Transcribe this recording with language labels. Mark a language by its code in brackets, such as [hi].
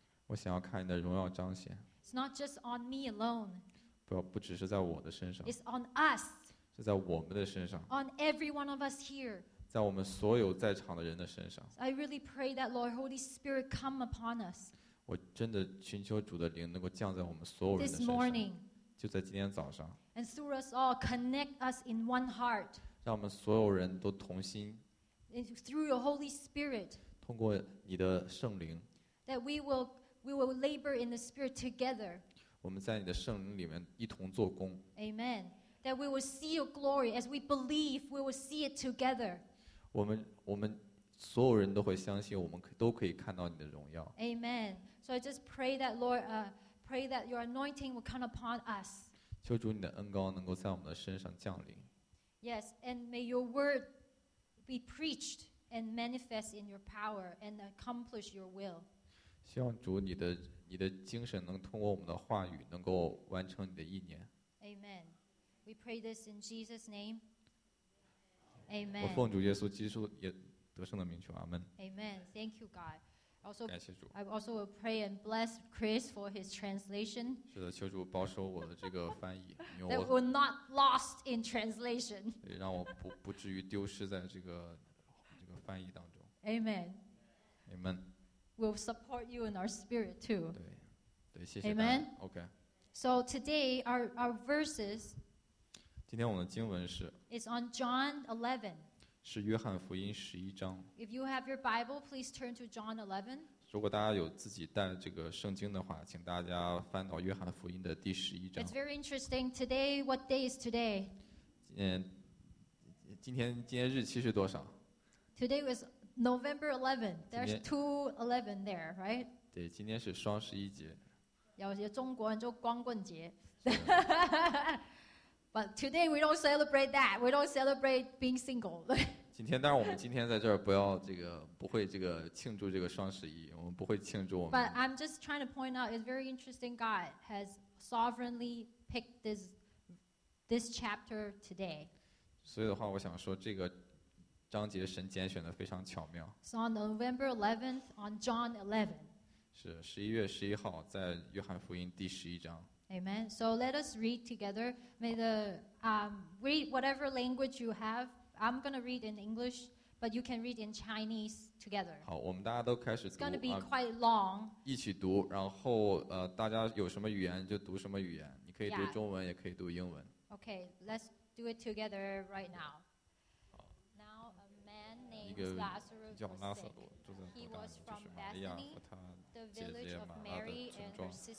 [zh] 我想要看你的荣耀彰显。 [en] It's not just on me alone. [zh] 不只是在我的身上。 [en] It's on us. [zh] 是在我们的身上。 [en] On every one of us here. [zh] 在我们所有在场的人的身上。 [en] I really pray that Lord Holy Spirit come upon us. [zh] 我真的寻求主的灵能够降在我们所有人的身上。 [en] This morning. [zh] 就在今天早上 [en] and through us all, connect us in one heart. [zh] 让我们所有人都同心 [en] through your Holy Spirit, [zh] 通过你的圣灵 [en] that we will labor in the Spirit together. [zh] 我们在你的圣灵里面一同做工 [en] Amen. That we will see your glory as we believe, we will see it together. [zh] 我们所有人都会相信，我们都可以看到你的荣耀 [en] Amen. So I just pray that Lord, Pray that your anointing will come upon us. [zh] 求主你的恩膏能够在我们的身上降临。 [en] Yes, and may your word be preached and manifest in your power and accomplish your will. [zh] 希望主你的精神能通过我们的话语能够完成你的意念。 [en] Amen. We pray this in Jesus' name. Amen. [zh] 我奉主耶稣基督也得胜的名求，阿门。 [en] Amen. Thank you, God. Also, I also will pray and bless Chris for his translation. [zh] 是的，求主保守我的这个翻译。 [en] That will not lost in translation. [zh] 让我不至于丢失在这个翻译当中。 [en] Amen. Amen. We'll support you in our spirit too. [zh] 对，谢谢。 [en] Amen. Okay. So today our verses. [zh] 今天我们的经文是。 [en] It's on John 11. [zh] 是约翰福音十一章。 [en] If you have your Bible, please turn to John 11. [zh] 如果大家有自己带这个圣经的话，请大家翻到约翰福音的第十一章。 [en] It's very interesting. Today, what day is today? [zh] 今天日期是多少 [en] ？Today was November 11. There's 2/11 there, right? [zh] 对，今天是双十一节。有些中国人就光棍节。 [en] But today we don't celebrate that. We don't celebrate being single. [zh] 今天，但是我们今天在这儿不要这个，不会这个庆祝这个双十一，我们不会庆祝我们。 [en] But I'm just trying to point out, it's very interesting. God has sovereignly picked this chapter today. [zh] 所以的话，我想说这个章节神拣选的非常巧妙。 [en] It's on November 11th on John 11. [zh] 是十一月十一号，在约翰福音第十一章。 [en] Amen. So let us read together. May the read whatever language you have. I'm gonna read in English, but you can read in Chinese together. [zh] 好，我们大家都开始读。 [en] It's gonna be quite long. [zh] 一起读，然后大家有什么语言就读什么语言。你可以读中文，也可以读英文。 [en] Okay, let's do it together right now. Now a man named. [zh] 个叫拉萨路，住在犹大，就是玛利亚和她姐姐玛拉的村庄。